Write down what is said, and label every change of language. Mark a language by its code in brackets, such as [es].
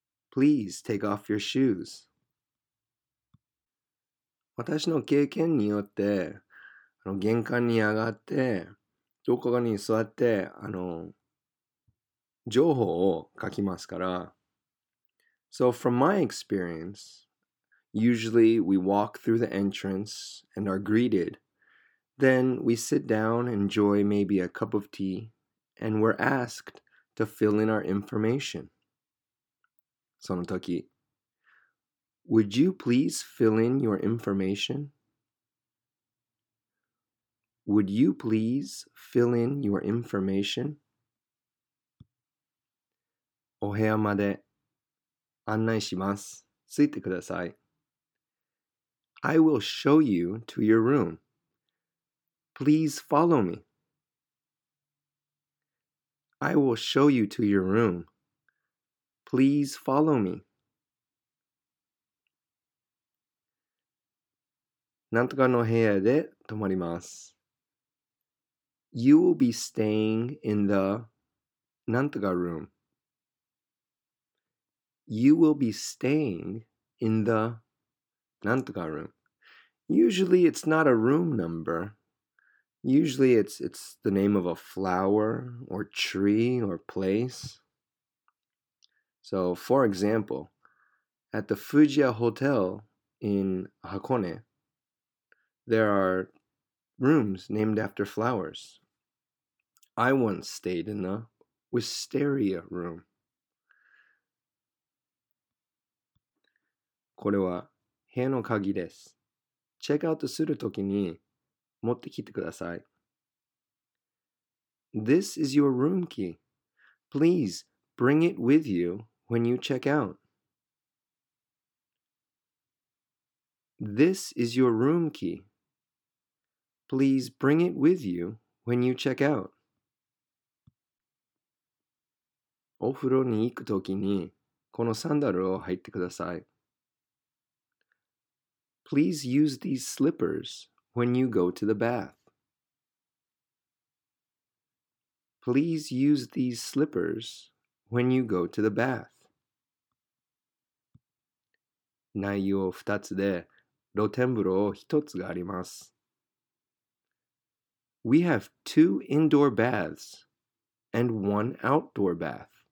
[en] Please take off your shoes. [ja] 私の経験によって、玄関に上がって、どこかに座って、情報を書きますから。 [en] So from my experience, usually we walk through the entrance and are greeted. Then we sit down, enjoy maybe a cup of tea, and we're asked to fill in our information. [ja] その時、 [en] Would you please fill in your information? Would you please fill in your information? [ja] お部屋まで案内します。ついてください。 [en] I will show you to your room. Please follow me. I will show you to your room. Please follow me. [ja] なんとかの部屋で泊まります。 [en] You will be staying in the なんとか room. You will be staying in the なんとか room. Usually it's not a room number. Usually it's the name of a flower or tree or place. So for example, at the Fujiya Hotel in Hakone, there are rooms named after flowers. I once stayed in the wisteria room. [ja] これは部屋の鍵です。チェックアウトするときに持ってきてください。 [en] This is your room key. Please bring it with you when you check out. This is your room key. Please bring it with you when you check out. [ja] お風呂に行くときにこのサンダルを履いてください。 [en] Please use these slippers when you go to the bath. Please use these slippers when you go to the bath. [ja] 内容二つで露天風呂一つがあります。 [en] We have two indoor baths and one outdoor bath.